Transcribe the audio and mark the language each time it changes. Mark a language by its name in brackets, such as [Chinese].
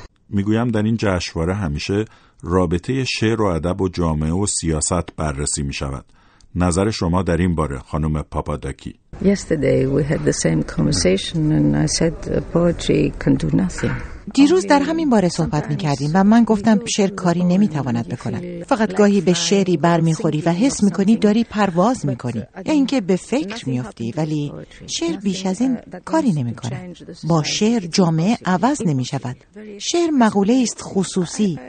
[Persian] میگویم در این جشنواره همیشه رابطه شعر و ادب و جامعه و سیاست بررسی میشود. نظر شما در این باره خانم پاپاداکی؟ [English] Yesterday we had the same conversation and I said poetry can do nothing. [Persian] دیروز در همین باره صحبت می‌کردیم و من گفتم شعر کاری نمی‌تواند بکند. فقط گاهی به شعری برمی‌خوری و حس می‌کنی داری پرواز می‌کنی. اینکه به فکر می‌افتی، ولی شعر بیش از این کاری نمی‌کند. با شعر جامعه عوض نمی‌شود. شعر مقوله است خصوصی.